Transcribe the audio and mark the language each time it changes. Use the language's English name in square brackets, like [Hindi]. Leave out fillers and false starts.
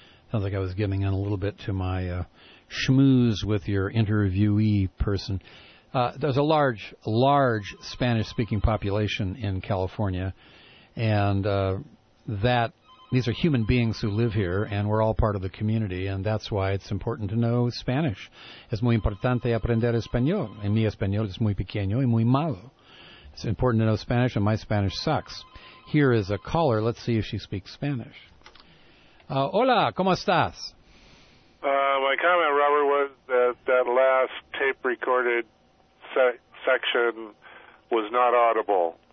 [English] Sounds like I was giving in a little bit to my schmooze with your interviewee person. There's a large, large Spanish-speaking population in California, and these are human beings who live here, and we're all part of the community, and that's why it's important to know Spanish. [Spanish] Es muy importante aprender español. En mi español es muy pequeño y muy malo. [English] It's important to know Spanish, and my Spanish sucks. Here is a caller. Let's see if she speaks Spanish. [Spanish] Hola, ¿cómo estás? [English] My comment, Robert, was that last tape recorded section was not audible.